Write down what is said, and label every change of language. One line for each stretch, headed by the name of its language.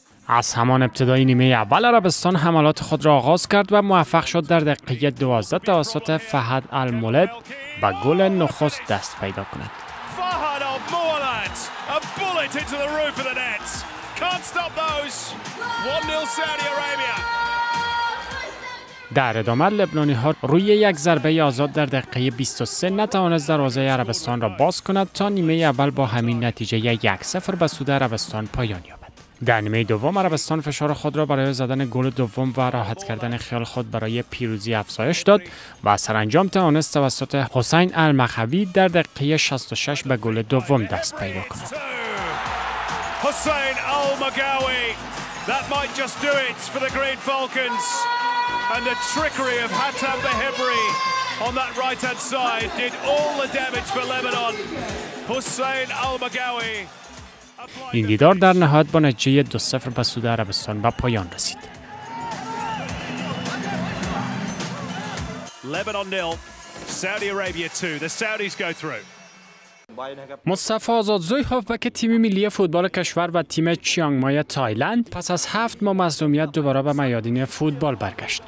Persian: از همان ابتدای نیمه اول عربستان حملات خود را آغاز کرد و موفق شد در دقیقه 12 توسط فهد المولد به گل نخست دست پیدا کند.
English: Fahad al-Mawlad, a bullet into the roof of the net. Can't stop those. 1-0 Saudi Arabia.
Persian: در ادامه لبنانی ها روی یک ضربه آزاد در دقیقه 23 نتوانست دروازه عربستان را باز کند تا نیمه اول با همین نتیجه 1-0 به سود عربستان پایان یابد. در نیمه دوم عربستان فشار خود را برای زدن گل دوم و راحت کردن خیال خود برای پیروزی افزایش داد و سرانجام توانست توسط حسین المخوی در دقیقه 66 به گل دوم دست پیدا کند.
English: حسین المخوی that might just do it for the Green Falcons and the trickery of Hatem Behebri on that right hand side did all the damage for Lebanon. Hussein Al-Magawi, a
Persian: این دیدار در نهایت با نتیجه 2-0 به سود عربستان به پایان رسید.
English: Lebanon 0, Saudi Arabia 2. The Saudis go through.
Persian: مصطفی آزادزوی هافبک تیم ملی فوتبال کشور و تیم چیانگ مای تایلند پس از 7 ماه مظلومیت دوباره به میادین فوتبال برگشت.